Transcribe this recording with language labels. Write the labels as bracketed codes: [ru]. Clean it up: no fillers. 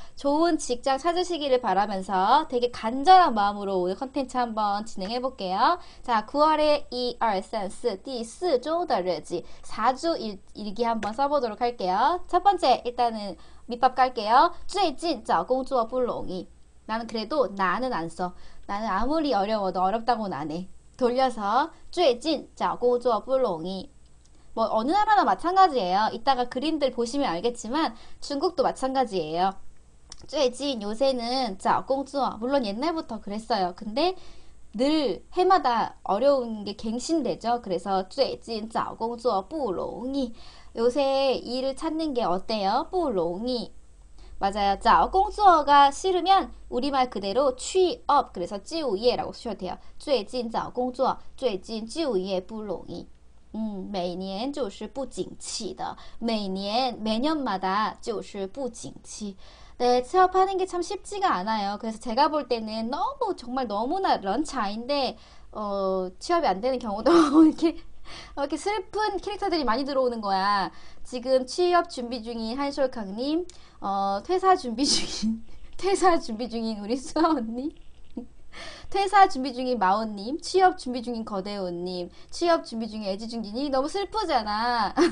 [ko] 좋은 직장 찾으시기를 바라면서 되게 간절한 마음으로 오늘 컨텐츠 한번 진행해 볼게요. 자, 9월의 1, 2, 3, 4, [zh] 第四周的日记 [ko] 4주 일기 한번 써보도록 할게요. 첫 번째, 일단은 밑밥 깔게요. [zh] 最近找工作不容易。 [ko] 나는 그래도 나는 안 써. 나는 아무리 어려워도 어렵다고는 안 해. 돌려서 [zh] 最近找工作不容易。 [ko] 뭐 어느 나라나 마찬가지예요. 이따가 그림들 보시면 알겠지만 중국도 마찬가지예요. 最近 요새는 [zh] 找工作 [ko] 물론 옛날부터 그랬어요. 근데 늘 해마다 어려운 게 갱신되죠. 그래서 [zh] 最近找工作不容易。 [ko] 요새 일을 찾는 게 어때요? [zh] 不容易。 [ko] 맞아요. 找工作가 싫으면 우리말 그대로 취업, 그래서 就业라고 쓰셔도 돼요. [zh] 最近找工作，最近就业不容易。嗯，每年就是不景气的，每年마다 就是不景气。 [ko] 네, 취업하는 게참 쉽지가 않아요. 그래서 제가 볼 때는 너무 정말 너무나 런치인데 취업이 안 되는 경우도 이렇게 슬픈 캐릭터들이 많이 들어오는 거야. 지금 취업 준비 중인 한솔캉님, 퇴사 준비 중인 우리 수아 언니, 퇴사 준비 중인 마오님, 취업 준비 중인 거대우님, 취업 준비 중인 애지중지님, 너무 슬프잖아.